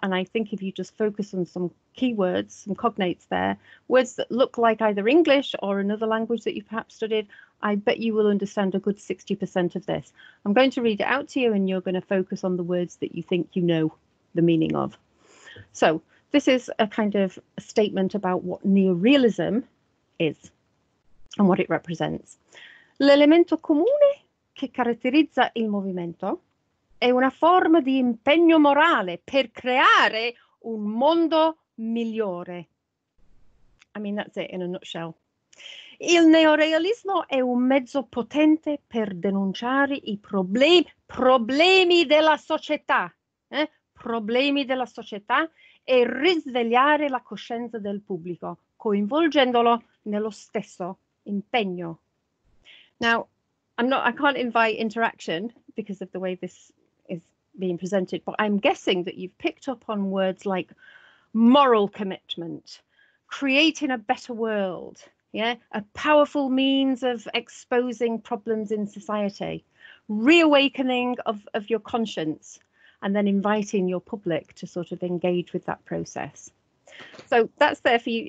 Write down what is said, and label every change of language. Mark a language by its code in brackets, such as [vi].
[en] And I think if you just focus on some keywords, some cognates there, words that look like either English or another language that you've perhaps studied, I bet you will understand a good 60% of this. I'm going to read it out to you and you're going to focus on the words that you think you know the meaning of. So this is a kind of a statement about what neorealism is and what it represents. [it] L'elemento comune che caratterizza il movimento è una forma di impegno morale per creare un mondo migliore. [en] I mean, that's it in a nutshell. [it] Il neorealismo è un mezzo potente per denunciare i problemi della società, problemi della società, e risvegliare la coscienza del pubblico, coinvolgendolo nello stesso impegno. [en] Now, I can't invite interaction because of the way this is being presented, but I'm guessing that you've picked up on words like moral commitment, creating a better world. Yeah, a powerful means of exposing problems in society, reawakening of your conscience, and then inviting your public to sort of engage with that process. So that's there for you.